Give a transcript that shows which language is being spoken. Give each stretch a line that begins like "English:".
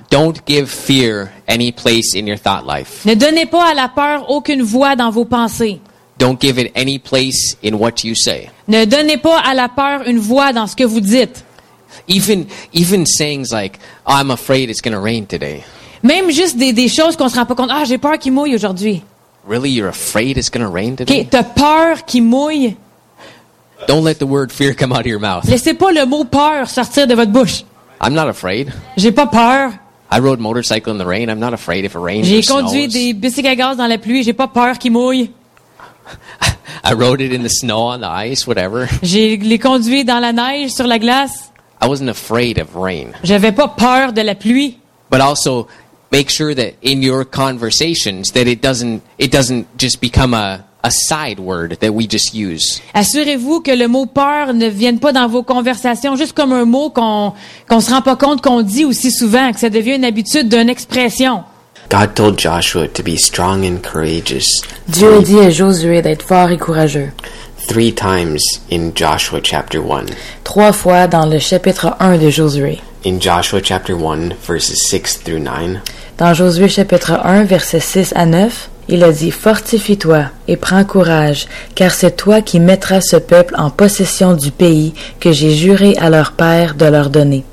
English: Don't give fear any place in your thought life.
French: Ne donnez pas à la peur aucune voix dans vos pensées.
English: Don't give it any place in what you say.
French: Ne donnez pas à la peur une voix dans ce que vous dites.
English: Even sayings like, oh, I'm afraid it's going to rain today.
French: Même juste des choses qu'on se rend pas compte. Ah, j'ai peur qu'il mouille aujourd'hui.
English: Really, you're afraid it's going to rain today?
French: Okay, t'as peur qu'il mouille?
English: Don't let the word fear come out of your mouth.
French: Laissez pas le mot peur sortir de votre bouche.
English: I'm not afraid.
French: J'ai pas peur.
English: I rode motorcycle in the rain. I'm not afraid if it rains.
French: J'ai conduit des bicycles à gaz dans la pluie. J'ai pas peur qu'il mouille.
English: I rode it in the snow on the ice, whatever.
French: J'ai les conduit dans la neige sur la glace.
English: I wasn't afraid of rain.
French: J'avais pas peur de la pluie.
English: But also make sure that in your conversations that it doesn't just become a side word that we just use.
French: Assurez-vous que le mot peur ne vienne pas dans vos conversations juste comme un mot qu'on se rend pas compte qu'on dit aussi souvent, que ça devient une habitude d'une expression.
English: God told Joshua to be strong and courageous.
French: Dieu a dit à Josué d'être fort et courageux.
English: Three times in Joshua chapter 1.
French: Trois fois dans le chapitre 1 de Josué.
English: In Joshua chapter 1 verses 6 through 9.
French: Dans Josué chapitre 1 versets 6 à 9. Il a dit, « Fortifie-toi et prends courage, car c'est toi qui mettras ce peuple en possession du pays que j'ai juré à leur père de leur donner.